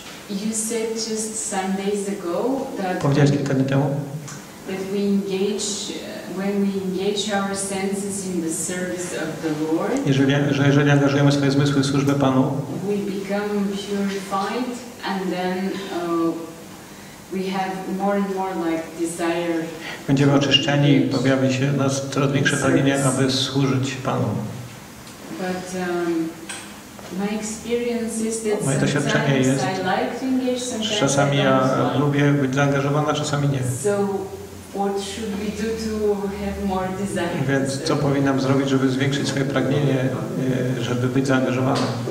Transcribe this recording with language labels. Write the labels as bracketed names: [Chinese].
[English] You said just some days ago that. [Polish] Powiedziałeś kilka dni temu. [English] That we engage when we engage our senses in the service of the Lord. [Polish] Jeżeli angażujemy swoje zmysły w służbę Panu. [English] We become purified and then. We have more and more like desire. [Polish] Będziemy oczyszczeni, pojawi się nas coraz większe pragnienie, aby służyć Panu. [English] But my experience is that [Polish] moje doświadczenie jest, [English] I like to engage, sometimes [Polish] czasami [English] I don't [Polish] ja [English] like. [Polish] Lubię być zaangażowana, czasami nie. [English] So what should we do to have more desire? [Polish] Więc co powinnam zrobić, żeby zwiększyć swoje pragnienie, żeby być zaangażowana?